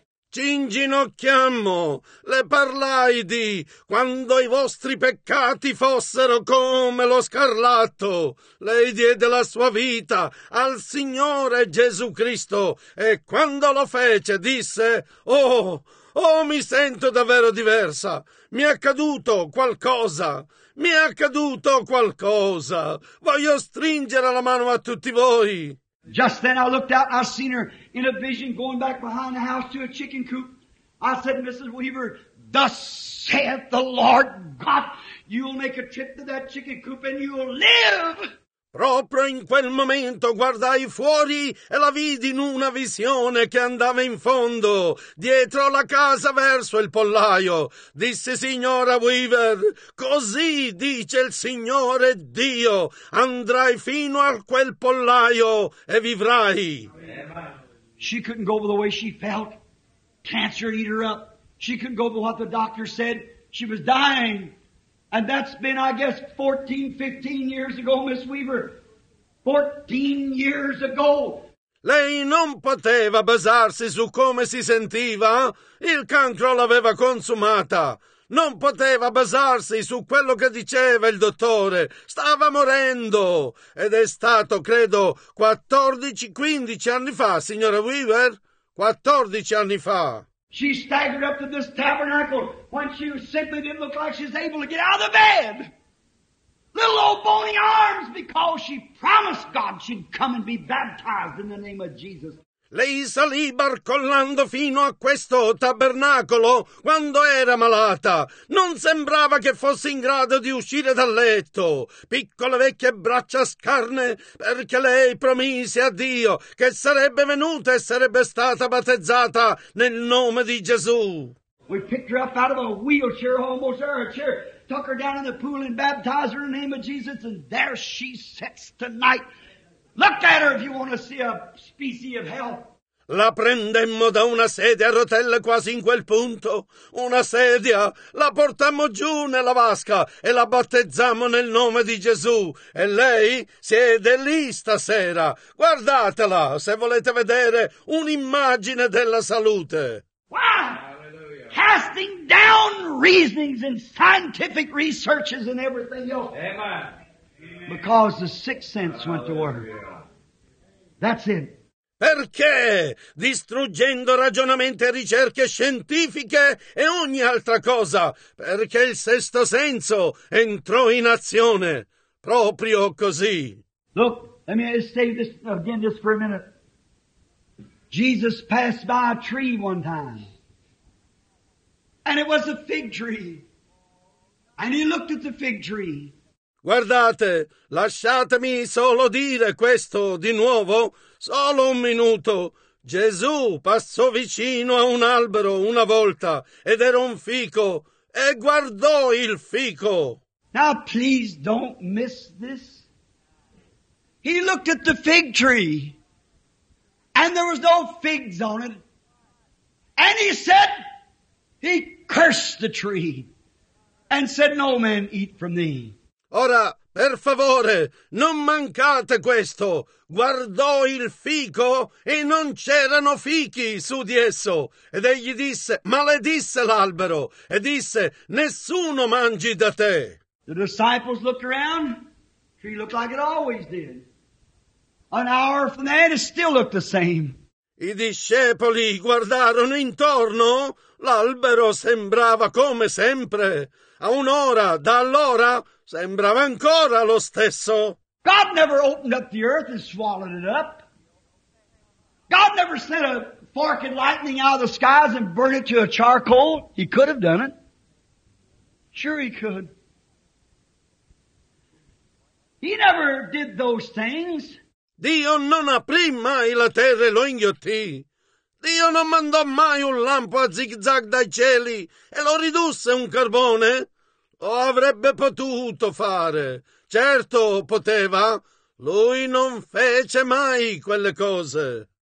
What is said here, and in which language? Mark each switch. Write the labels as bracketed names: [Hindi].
[Italian] Ci inginocchiammo. Le parlai di quando i vostri peccati fossero come lo scarlatto. Lei diede la sua vita al Signore Gesù Cristo. E quando lo fece, disse, Oh, mi sento davvero diversa. Mi è accaduto qualcosa. Mi è accaduto qualcosa. Voglio stringere la mano a tutti voi. [English] Just then I looked out, I seen her in a vision going back behind the house to a chicken coop. I said, Mrs. Weaver, thus saith the Lord God, you will make a trip to that chicken coop and you will live. [Italian] Proprio in quel momento guardai fuori e la vidi in una visione che andava in fondo, dietro la casa verso il pollaio. Disse signora Weaver, così dice il Signore Dio, andrai fino a quel pollaio e vivrai. [English] She couldn't go the way she felt. Cancer eat her up. She couldn't go by what the doctor said. She was dying. And that's been, I guess, 14, 15 years ago, Miss Weaver. 14 years ago. [Italian] Lei non poteva basarsi su come si sentiva. Il cancro l'aveva consumata. Non poteva basarsi su quello che diceva il dottore. Stava morendo. Ed è stato, credo, 14, 15 anni fa, signora Weaver. 14 anni fa. [English] She staggered up to this tabernacle when she simply didn't look like she was able to get out of the bed. Little old bony arms, because she promised God she'd come and be baptized in the name of Jesus. [Italian] Lei salì barcollando fino a questo tabernacolo quando era malata. Non sembrava che fosse in grado di uscire dal letto. Piccole vecchie braccia scarne, perché lei promise a Dio che sarebbe venuta e sarebbe stata battezzata nel nome di Gesù. [English] We picked her up out of a wheelchair, almost out of a chair, took her down in the pool and baptized her in the name of Jesus, and there she sits tonight. Look at her if you want to see a specie of hell. [Italian] La prendemmo da una sedia a rotelle quasi in quel punto. Una sedia. La portammo giù nella vasca e la battezzammo nel nome di Gesù. E lei siede lì stasera. Guardatela se volete vedere un'immagine della salute. [English] Wow! Hallelujah. Casting down reasonings and scientific researches and everything else. Amen. Because the sixth sense went to work. That's it. [Italian] Perché, distruggendo ragionamenti e ricerche scientifiche e ogni altra cosa, perché il sesto senso entrò in azione. Proprio così. [English] Look, let me say this again just for a minute. Jesus passed by a tree one time. And it was a fig tree. And he looked at the fig tree. [Italian] Guardate, lasciatemi solo dire questo di nuovo, solo un minuto. Gesù passò vicino a un albero una volta, ed era un fico, e guardò il fico. [English] Now please don't miss this. He looked at the fig tree, and there was no figs on it. And he said, he cursed the tree, and said, no man eat from thee. [Italian] Ora, per favore, non mancate questo. Guardò il fico e non c'erano fichi su di esso. Ed egli disse, maledisse l'albero, e disse, nessuno mangi da te. [English] The disciples looked around. The tree looked like it always did. An hour from there, it still looked the same. [Italian] I discepoli guardarono intorno. L'albero sembrava come sempre. A un'ora da allora sembrava ancora lo stesso. [English] God never opened up the earth and swallowed it up. God never sent a fork and lightning out of the skies and burned it to a charcoal. He could have done it. Sure he could. He never did those things. [Italian] Dio non aprì mai la terra e lo inghiottì. Dio non mandò mai un lampo a zigzag dai cieli e lo ridusse un carbone. Lo avrebbe potuto fare. Certo, poteva. Lui non fece mai quelle cose.